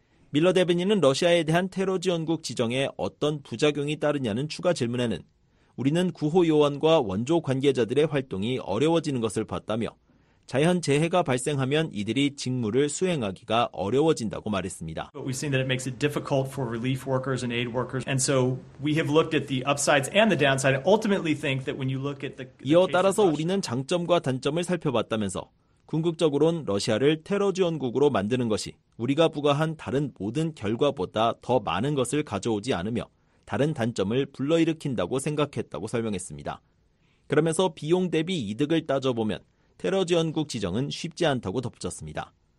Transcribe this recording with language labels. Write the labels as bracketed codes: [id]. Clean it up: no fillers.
[ko] 밀러 대변인은 러시아에 대한 테러 지원국 지정에 어떤 부작용이 따르냐는 추가 질문에는 우리는 구호 요원과 원조 관계자들의 활동이 어려워지는 것을 봤다며 자연 재해가 발생하면 이들이 직무를 수행하기가 어려워진다고 말했습니다. [en] But we've seen that it makes it difficult for relief workers and aid workers. And so we have looked at the upsides and the downside. Ultimately think that when you look at the [ko] 이어 따라서 우리는 장점과 단점을 살펴봤다면서 궁극적으로는 러시아를 테러 지원국으로 만드는 것이 우리가 부과한 다른 모든 결과보다 더 많은 것을 가져오지 않으며 다른 단점을 불러일으킨다고 생각했다고 설명했습니다. 그러면서 비용 대비 이득을 따져보면 테러 지원국 지정은 쉽지 않다고 덧붙였습니다.